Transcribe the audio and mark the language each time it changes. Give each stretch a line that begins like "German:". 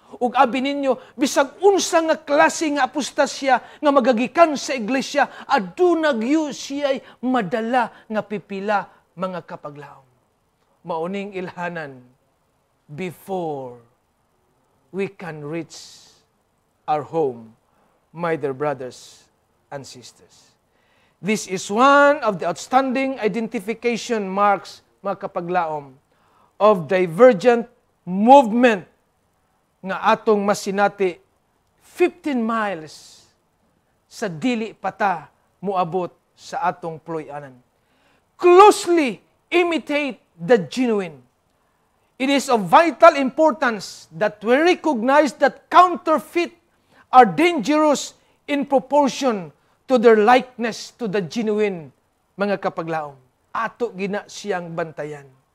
Cebuano: Ug abi ninyo, bisag unsa nga klase nga apostasya nga magagikan sa iglesia, aduna gyud siya'y madala nga pipila, mga kapaglaom. Mauning ilhanan
English: before we can reach our home, my dear brothers and sisters. This is one of the outstanding identification marks,
Cebuano: mga kapaglaom,
English: of divergent movement
Cebuano: nga atong masinati 15 miles sa dili pata muabot sa atong ploy-anan.
English: Closely imitate the genuine. It is of vital importance that we recognize that counterfeit are dangerous in proportion to their likeness to the genuine,
Cebuano: mga kapaglaom. Ato gina siyang bantayan.